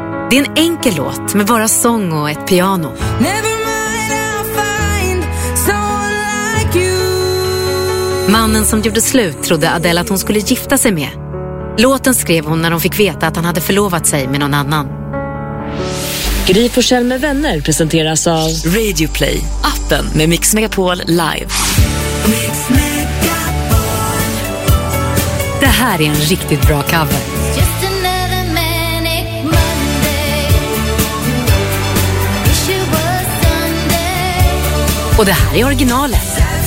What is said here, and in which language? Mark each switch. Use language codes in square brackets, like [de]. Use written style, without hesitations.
[sv] Det är en enkel låt med bara sång och ett piano. [en] Never mind, I'll find someone like you. [sv] Mannen som gjorde slut trodde Adele att hon skulle gifta sig med. Låten skrev hon när hon fick veta att han hade förlovat sig med någon annan. Gry Forssell med vänner presenteras av Radio Play, appen med Mix Megapol live. Det här är en riktigt bra cover. [en] Just another manic Monday. Wish it was Sunday. [sv] Och det här är originalet.